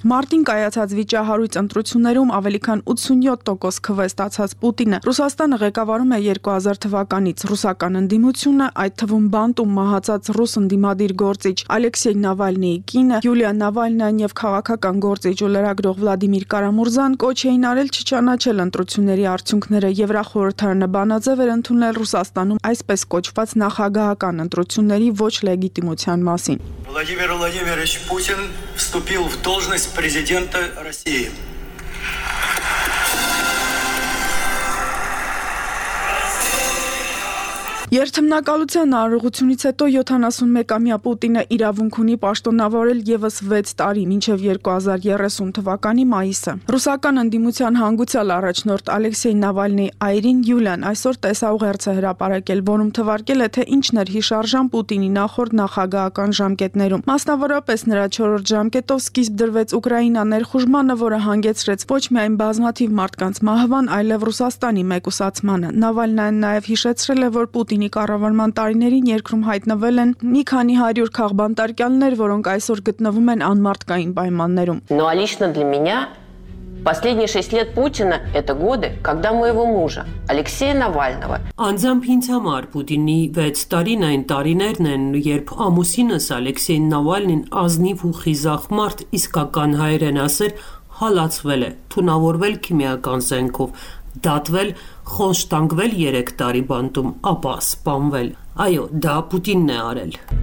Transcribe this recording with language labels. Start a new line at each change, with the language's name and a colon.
Armenian: Մարտին կայացած վիճահարույց ընտրություններում ավելի քան 87% քվե ստացած Պուտինը Ռուսաստանը ղեկավարում է 2000 թվականից։ Ռուսական ընդդիմությունը, այդ թվում բանտում մահացած ռուս ընդդիմադիր գործիչ Ալեքսեյ Նավալնիի կինը, Յուլիա Նավալնան և քաղաքական գործիչ ու լրագրող Վլադիմիր Կարամուրզան կոչ էին արել չճանաչել ընտրությունների արդյունքները, և Եվրախորհրդարանը բանաձև էր ընդունել Ռուսաստանում այսպես կոչված նախագահական ընտրությունների ոչ լեգիտիմության մասին։
Russian: Владимир Владимирович Путин вступил в должность президента России.
Armenian: Երթմնակալության առողջությունից հետո 71-ամյա Պուտինը իրավունք ունի պաշտոնավորել ևս 6 տարի, մինչև 2030 թվականի մայիսը։ Ռուսական ընդդիմության հանգուցյալ առաջնորդ Ալեքսեյ Նավալնիի այրին Յուլիան այսօր տեսաուղերձը հրապարակել, որում թվարկել է, թե ինչն էր հիշարժան Պուտինի նախորդ նախագահական ժամկետներում։ Մասնավորապես նրա 4-րդ ժամկետով սկիզբ դրվեց Ուկրաինա ներխուժմանը, որը հանգեցրեց ոչ միայն բազմաթիվ մարդկանց մահվան, այլև Ռուսաստանի մեկուսացմանը։ Նավալնան նաև հիշեցրել է, որ Պուտինի կառավարման տարիներին երկրում հայտնվել են մի քանի 100 քաղբանտարկյալներ, որոնք այսօր գտնվում են անմարդկային պայմաններում։
Russian: Но лично для меня последние 6 лет Путина это годы, когда моего мужа Алексея Навального.
Armenian: Անձամբ ինձ համար Պուտինի 6 տարին այն տարիներն են, երբ ամուսինս Ալեքսեյ Նավալնին ազնիվ ու խիզախ մարդ իսկական հայրեն ասել հալածվել է, թունավորվել քիմիական զենքով, դատվել, խոշտանգվել 3 տարի բանտում, ապա սպանվել։ Այո, դա Պուտինն է արել։